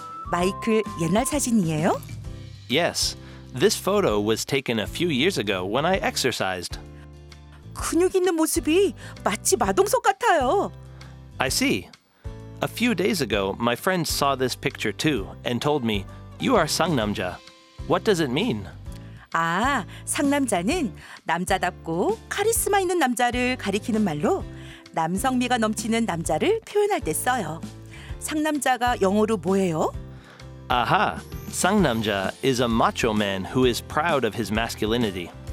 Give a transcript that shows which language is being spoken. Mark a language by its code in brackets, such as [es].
[ko] 마이클, 옛날 사진이에요? [en] Yes, this photo was taken a few years ago when I exercised. [ko] 근육 있는 모습이 마치 마동석 같아요. [en] I see. A few days ago, my friend saw this picture too and told me, "You are 상남자." What does it mean? [ko] 아, 상남자는 남자답고 카리스마 있는 남자를 가리키는 말로 남성미가 넘치는 남자를 표현할 때 써요. 상남자가 영어로 뭐예요? [en] Aha, 상남자 is a macho man who is proud of his masculinity.